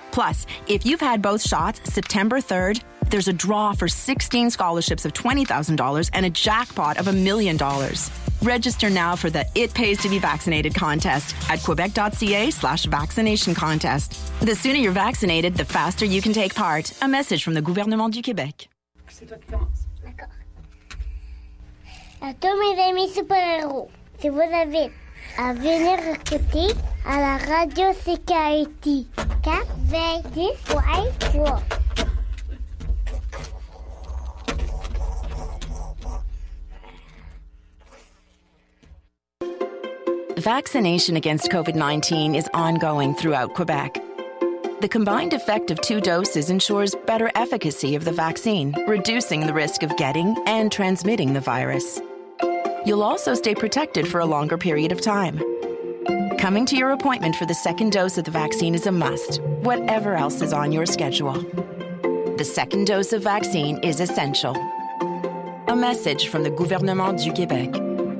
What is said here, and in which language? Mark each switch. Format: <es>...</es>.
<en>Plus, if you've had both shots September 3rd, there's a draw for 16 scholarships of $20,000 and a jackpot of $1 million. Register now for the It Pays to Be Vaccinated contest at quebec.ca/vaccination contest. The sooner you're vaccinated, the faster you can take part. A message from the gouvernement du Québec.</en> <fr>C'est toi qui commence. D'accord. À tous mes amis super-héros, je vous invite à venir écouter à la radio CKIT 4-20-10-3.</fr> <en>Vaccination against COVID-19 is ongoing throughout Quebec. The combined effect of two doses ensures better efficacy of the vaccine, reducing the risk of getting and transmitting the virus. You'll also stay protected for a longer period of time. Coming to your appointment for the second dose of the vaccine is a must, whatever else is on your schedule. The second dose of vaccine is essential. A message from the gouvernement du Québec.</en>